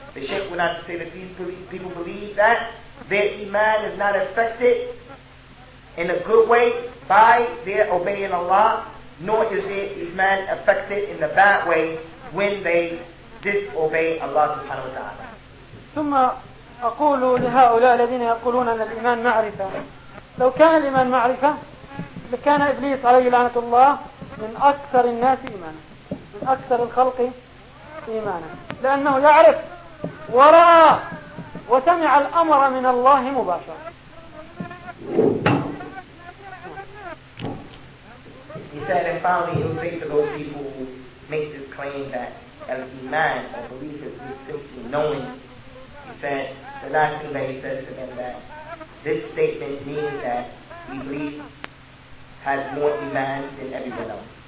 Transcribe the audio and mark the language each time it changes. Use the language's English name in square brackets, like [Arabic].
[English] The Shaykh went on to say that these people believe that their iman is not affected in a good way by their obeying Allah, nor is their iman affected in a bad way when they disobey Allah subhanahu wa ta'ala. [Arabic] ثم أقول لهؤلاء الذين يقولون أن الإيمان معرفة لو كان الإيمان معرفة لكان إبليس عليه لعنة الله من أكثر الناس إيمانا من أكثر الخلق إيمانا لأنه يعرف ورأى وسمع الأمر من الله مباشرة. [English] He said, and finally he'll say to those people who make this claim that al-Iman or belief is simply knowing, he said, the last thing that he says to them, that this statement means that Iblis has more Iman than everyone else.